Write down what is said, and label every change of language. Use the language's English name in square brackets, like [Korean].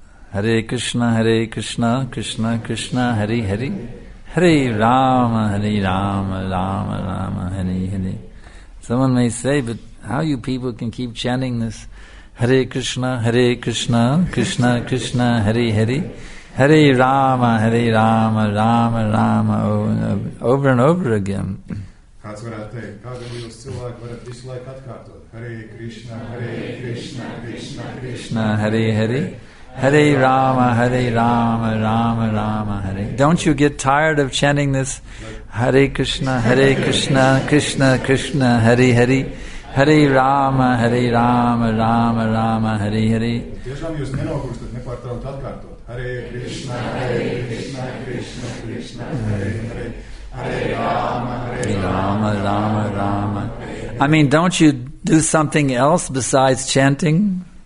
[Sanskrit] Hare Krishna, Hare Krishna, Krishna Krishna, Hare Hare, Hare Rama, Hare Rama, Rama Rama, Hare Hare. [English] Someone may say, but how you people can keep chanting this [Sanskrit] Hare Krishna, Hare Krishna, Krishna Krishna, Hare Hare, Hare Rama, Hare Rama, Rama Rama, [English] over and over again. [Latvian] Kāds varētu teikt, kādu jūs cilvēku varat visu laiku atkārtot? [Sanskrit] Hare Krishna, Hare Krishna, Krishna Krishna, Hare Hare. Hare Rama, Hare Rama, Rama Rama, Hare. [English] Don't you get tired of chanting this? [Sanskrit] Hare Krishna, Hare Krishna, Krishna Krishna, Hare Hare. Hare Rama, Hare Rama, Rama Rama, Hare Hare. [Latvian] Tiešām jūs nenogurstat nepārtraukti atkārtot. [Sanskrit] Hare Krishna, Hare Krishna, Krishna Krishna, Hare Hare. [English] Rama, Rama, Rama, Rama. I mean, don't you do something else besides chanting?